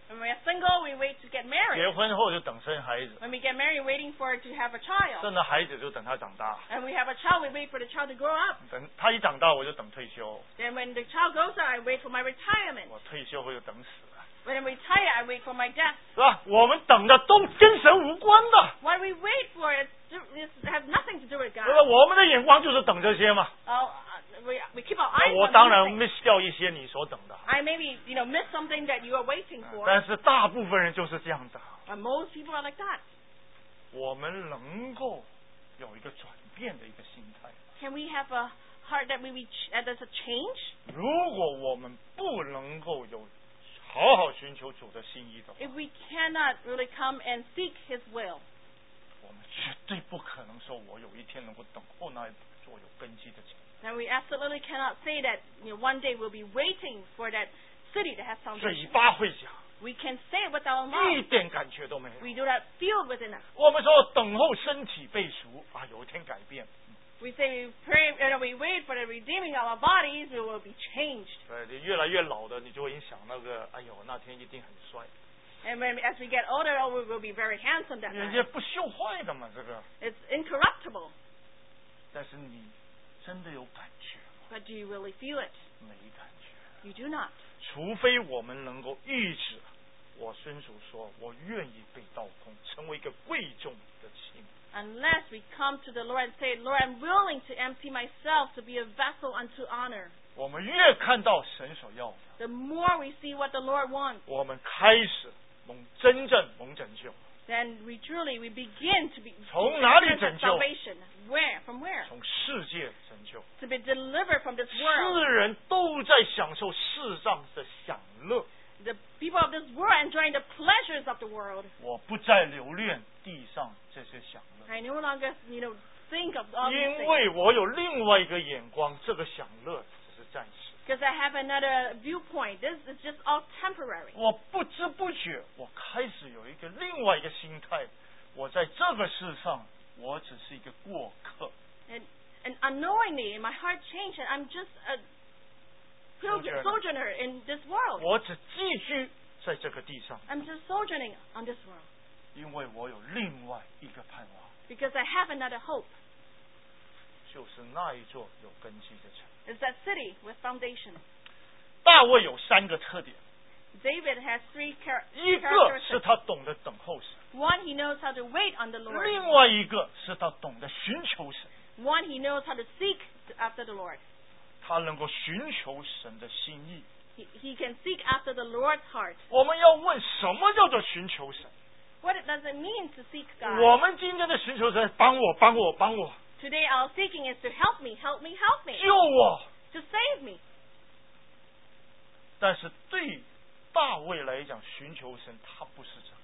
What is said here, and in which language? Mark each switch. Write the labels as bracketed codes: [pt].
[en] When we're single, we wait to get married. [zh] 结婚后就等生孩子。 [en] When we get married, waiting for to have a child. [zh] 生了孩子就等他长大。 [en] And we have a child, we wait for the child to grow up. [zh] 等他一长大，我就等退休。 [en] Then when the child grows up, I wait for my retirement. [zh] 我退休后就等死了。 [en] When I retire, I wait for my death. [zh] 是吧？我们等的都跟神无关的。 [en] What we wait for is have nothing to do with God. [zh] 对吧？我们的眼光就是等这些嘛。 [en] We keep our eyes [zh] 我当然 miss 掉一些你所等的。 [en] I maybe you know miss something that you are waiting for. [zh] 但是大部分人就是这样的。 [en] But most people are like that. [zh] 我们能够有一个转变的一个心态。 [en] Can we have a heart that maybe there's a change? [zh] 如果我们不能够有好好寻求主的心意的话 [en] ，If we cannot really come and seek His will, [zh] 我们绝对不可能说我有一天能够等候那座有根基的城。 [en] Then we absolutely cannot say that you know, one day we'll be waiting for that city to have foundation. [zh] 嘴巴会讲 [en] ，We can say it with our mouth. [zh] 一点感觉都没有。 [en] We do not feel within us. [zh] 我们说等候身体被赎啊，有一天改变。 [en] We say we pray and we wait for the redeeming of our bodies, we will be changed. [zh] 对，越来越老的，你就会想那个，哎呦，那天一定很帅。 [en] And when as we get older, we will be very handsome that night. [zh] 人家不朽坏的嘛，这个。 [en] It's incorruptible. [zh] 但是你真的有感觉吗？ [en] But do you really feel it? [zh] 没感觉。 [en] You do not. [zh] 除非我们能够抑制。我孙主说，我愿意被倒空，成为一个贵重的器皿。 [en] Unless we come to the Lord and say, Lord, I'm willing to empty myself to be a vessel unto honor. [zh] 我们越看到神所要的 [en] ，the more we see what the Lord wants. [zh] 我们开始蒙真正蒙拯救。 [en] Then we truly we begin to be [zh] 从哪里拯救 [en] ？Salvation where from where？ [zh] 从世界拯救。 [en] To be delivered from this world. [zh] 世人都在享受世上的享乐。 [en] The people of this world enjoying the pleasures of the world. [zh] 我不再留恋地上这些享乐。 [en] I no longer, you know, think of all. [zh] 因为我有另外一个眼光，这个享乐只是暂时。 [en] Because I have another viewpoint, this is just all temporary. [zh] 我不知不觉，我开始有一个另外一个心态，我在这个世上，我只是一个过客。 [en] And unknowingly, my heart changed, and I'm just a. Sojourner in this world. [zh] 我只寄居在这个地上。 [en] I'm just sojourning on this world. [zh] 因为我有另外一个盼望。 [en] Because I have another hope. [zh] 就是那一座有根基的城。 [en] It's that city with foundation. [zh] 大卫有三个特点。 [en] David has three characteristics. [zh] 一个是他懂得等候神。 [en] One, he knows how to wait on the Lord. [zh] 另外一个是他懂得寻求神。 [en] One, he knows how to seek after the Lord. [zh] 他能够寻求神的心意。 [en] He can seek after the Lord's heart. [zh] 我们要问什么叫做寻求神。 [en] What does it mean to seek God? [zh] 我们今天的寻求神，帮我，帮我，帮我。 [en] Today our seeking is to help me, help me, help me. [zh] 救我。 [en] To save me. [zh] 但是对大卫来讲，寻求神他不是这样。